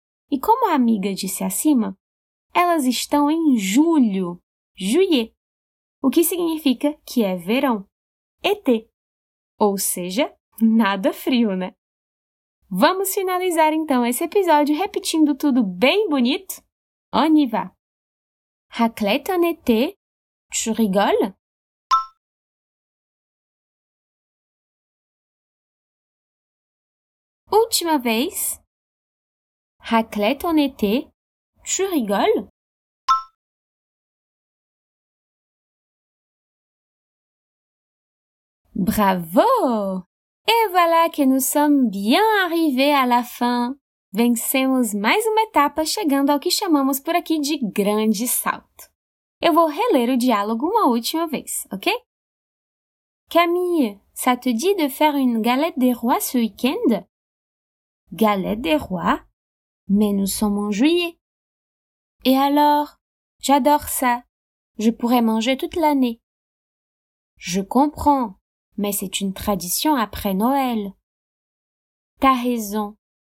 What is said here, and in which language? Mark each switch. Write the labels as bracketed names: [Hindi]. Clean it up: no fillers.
[Portuguese] E como a amiga disse acima, elas estão em julho, juillet, o que significa que é verão, été, ou seja, nada frio, né? Vamos finalizar então esse episódio repetindo tudo bem bonito? [French] On y va! Raclette en été, tu rigoles? [Portuguese] Última vez. [French] Raclette en été, tu rigoles? Bravo! Et voilà que nous sommes bien arrivés à la fin. [Portuguese] Vencemos mais uma etapa chegando ao que chamamos por aqui de grande salto. Eu vou reler o diálogo uma última vez, ok? [French] Camille, ça te dit de faire une galette des rois ce week-end? Galette des rois? Mais nous sommes en juillet. Et alors? J'adore ça. Je pourrais manger toute l'année. Je comprends, mais c'est une tradition après Noël. T'as raison.